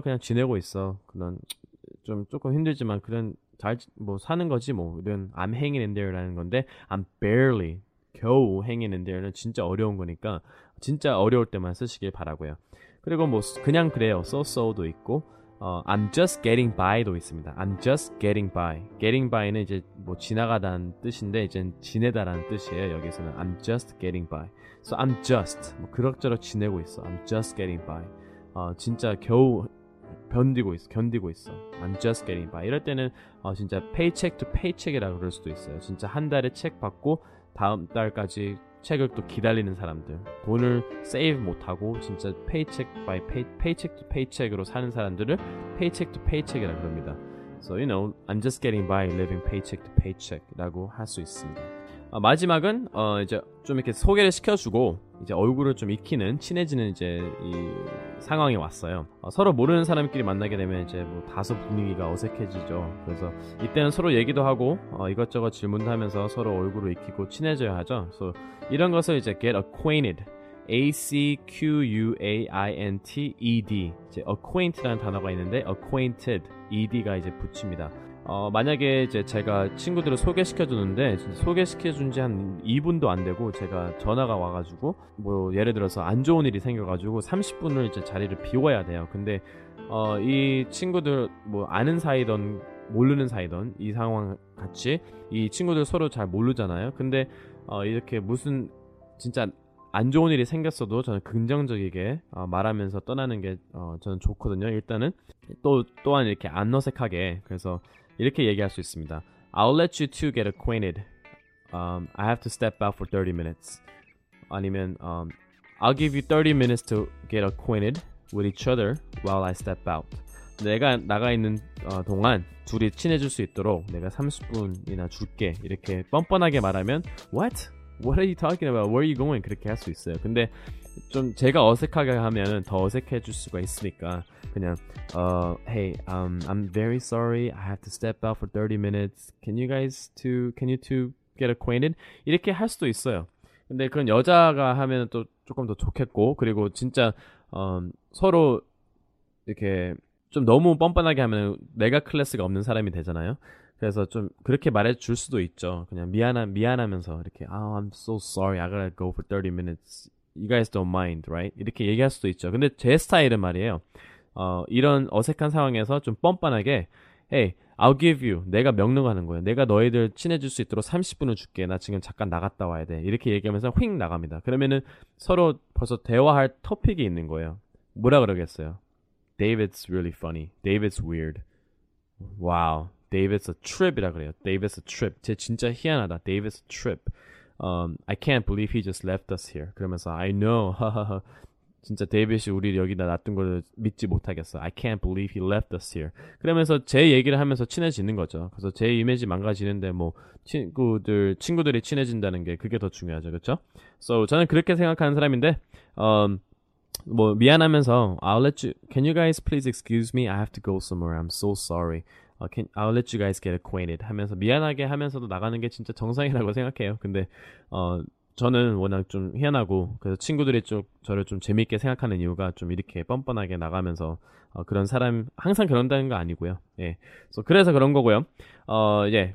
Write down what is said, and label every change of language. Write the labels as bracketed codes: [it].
[ko] 그냥 지내고 있어. 그런 좀 조금 힘들지만 그런 잘 뭐 사는 거지 뭐 이런 [en] I'm hanging in there [ko] 라는 건데 [en] I'm barely [ko] 겨우 [en] hanging in there [ko] 는 진짜 어려운 거니까 진짜 어려울 때만 쓰시길 바라고요. 그리고 뭐 그냥 그래요. [en] So-so도 있고 I'm just getting by도 있습니다. I'm just getting by. [ko] Getting by는 이제 뭐 지나가다는 뜻인데 이제 지내다라는 뜻이에요. 여기서는 [en] I'm just getting by. So I'm just [ko] 뭐 그럭저럭 지내고 있어. [en] I'm just getting by. [ko] 진짜 겨우 견디고 있어. 견디고 있어. [en] I'm just getting by. [ko] 이럴 때는 진짜 paycheck to paycheck이라고 그럴 수도 있어요. 진짜 한 달에 책 받고 다음 달까지 책을 또 기다리는 사람들 돈을 세이브 못하고 진짜 paycheck by paycheck to paycheck으로 사는 사람들을 paycheck to paycheck이라 그럽니다. [en] So you know, I'm just getting by living paycheck to paycheck라고 [ko] 할 수 있습니다. 마지막은 이제 좀 이렇게 소개를 시켜주고 이제 얼굴을 좀 익히는 친해지는 이제 이 상황이 왔어요. 서로 모르는 사람끼리 만나게 되면 이제 뭐 다소 분위기가 어색해지죠. 그래서 이때는 서로 얘기도 하고 이것저것 질문도 하면서 서로 얼굴을 익히고 친해져야 하죠. So 이런 것을 이제 get acquainted, A-C-Q-U-A-I-N-T-E-D 이제 acquaint라는 단어가 있는데 acquainted, ed가 이제 붙입니다. 만약에 이제 제가 친구들을 소개시켜주는데 소개시켜준 지 한 2분도 안 되고 제가 전화가 와가지고 뭐 예를 들어서 안 좋은 일이 생겨가지고 30분을 이제 자리를 비워야 돼요. 근데 이 친구들 뭐 아는 사이든 모르는 사이든 이 상황 같이 이 친구들 서로 잘 모르잖아요. 근데 이렇게 무슨 진짜 안 좋은 일이 생겼어도 저는 긍정적이게 말하면서 떠나는 게 저는 좋거든요. 일단은 또한 이렇게 안 어색하게 그래서 이렇게 얘기할 수 있습니다. [en] I'll let you two get acquainted. I have to step out for 30 minutes. 아니면 I'll give you 30 minutes to get acquainted with each other while I step out. [ko] 내가 나가 있는 동안 둘이 친해질 수 있도록 내가 30분이나 줄게. 이렇게 뻔뻔하게 말하면 What? [en] What are you talking about? Where are you going? [ko] 그렇게 할 수 있어요. 근데 좀 제가 어색하게 하면 더 어색해질 수가 있으니까 그냥 [en] Hey, I'm very sorry. I have to step out for 30 minutes. Can you two get acquainted? [ko] 이렇게 할 수도 있어요. 근데 그건 여자가 하면 또 조금 더 좋겠고 그리고 진짜 서로 이렇게 좀 너무 뻔뻔하게 하면 내가 클래스가 없는 사람이 되잖아요. 그래서 좀 그렇게 말해줄 수도 있죠. 그냥 미안하면서 이렇게 [en] Oh, I'm so sorry. I gotta go for 30 minutes. You guys don't mind, right? [ko] 이렇게 얘기할 수도 있죠. 근데 제 스타일은 말이에요. 이런 어색한 상황에서 좀 뻔뻔하게 [en] Hey, I'll give you. [ko] 내가 명령하는 거예요. 내가 너희들 친해질 수 있도록 30분을 줄게. 나 지금 잠깐 나갔다 와야 돼. 이렇게 얘기하면서 휙 나갑니다. 그러면은 서로 벌써 대화할 토픽이 있는 거예요. 뭐라 그러겠어요? [en] David's really funny. David's weird. Wow. David's a trip이라 그래요. David's a trip. [ko] 쟤 진짜 희한하다. [en] David's a trip. I can't believe he just left us here. [ko] 그러면서 [en] I know. [ko] 진짜 데이빗이 우리 여기다 놔둔 걸 믿지 못하겠어. [en] I can't believe he left us here. [ko] 그러면서 제 얘기를 하면서 친해지는 거죠. 그래서 제 이미지 망가지는데 뭐 친구들이 친해진다는 게 그게 더 중요하죠. 그렇죠? So 저는 그렇게 생각하는 사람인데 뭐 미안하면서 [en] I'll let you, can you guys please excuse me? I have to go somewhere. I'm so sorry. I'll let you guys get acquainted [ko] 하면서 미안하게 하면서도 나가는 게 진짜 정상이라고 생각해요. 근데 저는 워낙 좀 희한하고 그래서 친구들이 좀 저를 좀 재밌게 생각하는 이유가 좀 이렇게 뻔뻔하게 나가면서 그런 사람 항상 그런다는 거 아니고요. 예. 그래서 그런 거고요. 예.